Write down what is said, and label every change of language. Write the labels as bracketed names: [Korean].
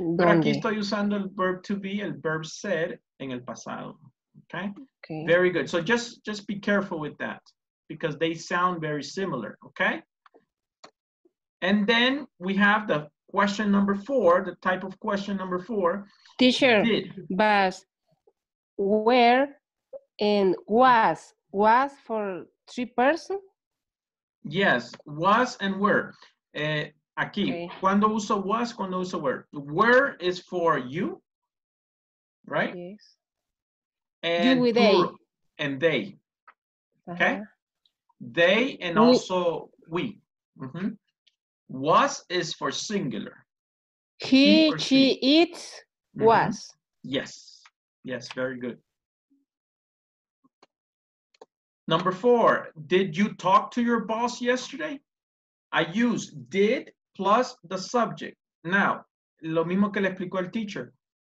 [Spanish] Pero aquí estoy usando el verb to be, el verb ser en el pasado, okay? [English] Very good. So just be careful with that because they sound very similar, okay? And then we have the question number four, the type of question number four. Teacher, did. But where... And was for three person? Yes, was and were. Aquí, okay. [Spanish] Cuando uso was, cuando uso were. [English] Were is for you, right? Yes. and you with they. And they. Okay? Uh-huh. They and we, also we. Mm-hmm. Was is for singular. He, she, it, was. Mm-hmm. Yes. Yes, very good. Number four, did you talk to your boss yesterday? I use did plus the subject. [Spanish] Now, lo mismo que le explicó el teacher.